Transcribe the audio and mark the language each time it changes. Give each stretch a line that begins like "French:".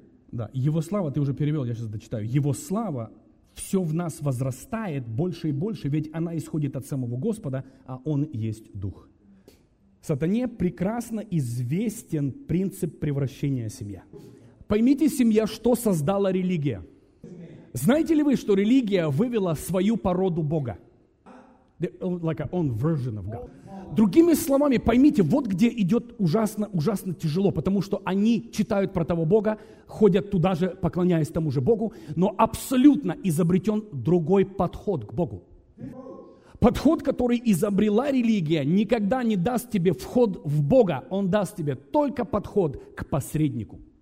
Russian: Да, Его слава, ты уже перевел, я сейчас дочитаю. Его слава, все в нас возрастает больше и больше, ведь она исходит от самого Господа, а Он есть Дух. Сатане прекрасно известен принцип превращения семьи. Поймите, семья, что создала религия. Знаете ли вы, что религия вывела свою породу Бога?
English: Like a own version of God.
Russian: Другими словами, поймите, вот где идет ужасно, ужасно тяжело, потому что они читают про того Бога, ходят туда же, поклоняясь тому же Богу, но абсолютно изобретен другой подход к Богу. Подход, который изобрела религия, никогда не даст тебе вход в Бога, он даст тебе только подход к посреднику.